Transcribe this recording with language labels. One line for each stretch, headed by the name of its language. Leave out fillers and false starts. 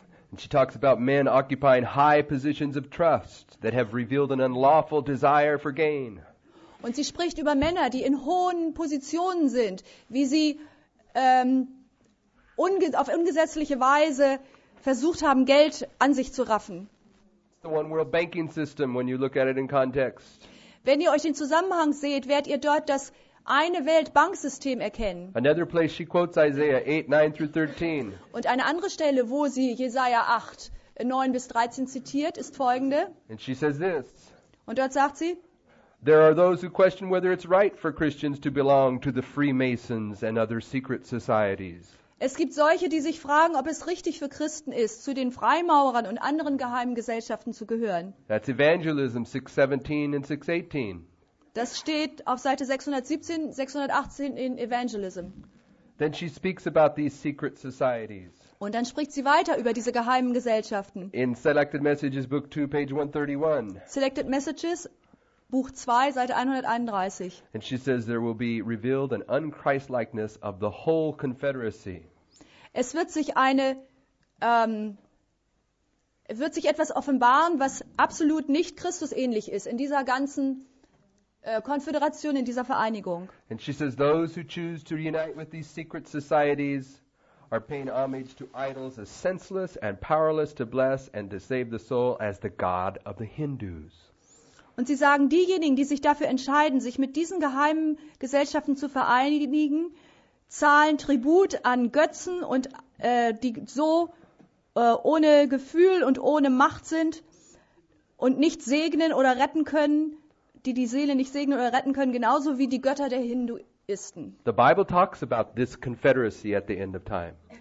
English: And she talks about men occupying high positions of trust that have revealed an unlawful desire for gain.
German: Und sie spricht über Männer, die in hohen Positionen sind, wie sie auf ungesetzliche Weise versucht haben, Geld an sich zu raffen.
English: It's the one world banking system when you look at it in context.
German: Wenn ihr euch den Zusammenhang seht, werdet ihr dort das eine Weltbanksystem erkennen.
English: Another place she quotes Isaiah 8, 9 through 13.
German: Und eine andere Stelle, wo sie Jesaja 8, 9 bis 13 zitiert, ist folgende.
English: And she says this.
German: Und dort sagt sie,
English: There are those who question whether it's right for Christians to belong to the Freemasons and other secret societies.
German: Es gibt solche, die sich fragen, ob es richtig für Christen ist, zu den Freimaurern und anderen geheimen Gesellschaften zu gehören.
English: That's Evangelism 6, 17 and 6, 18.
German: Das steht auf Seite 617, 618 in Evangelism.
English: Then she speaks about these secret societies.
German: Und dann spricht sie weiter über diese geheimen Gesellschaften.
English: In Selected Messages, Book 2, page 131.
German: Selected Messages, Buch 2, Seite 131.
English: And she says there will be revealed an unchristlikeness of the whole confederacy.
German: Es wird sich etwas offenbaren, was absolut nicht Christusähnlich ist in dieser ganzen Konföderation, in dieser Vereinigung.
English: And she says those who choose to reunite with these secret societies are paying homage to idols as senseless and powerless to bless and to save the soul as the god of the Hindus.
German: Und sie sagen, diejenigen, die sich dafür entscheiden, sich mit diesen geheimen Gesellschaften zu vereinigen, zahlen Tribut an Götzen und die so ohne Gefühl und ohne Macht sind und nicht segnen oder retten können, die Seele nicht segnen oder retten können, genauso wie die Götter der Hinduisten.
English: The Bible talks about this confederacy at the end of time.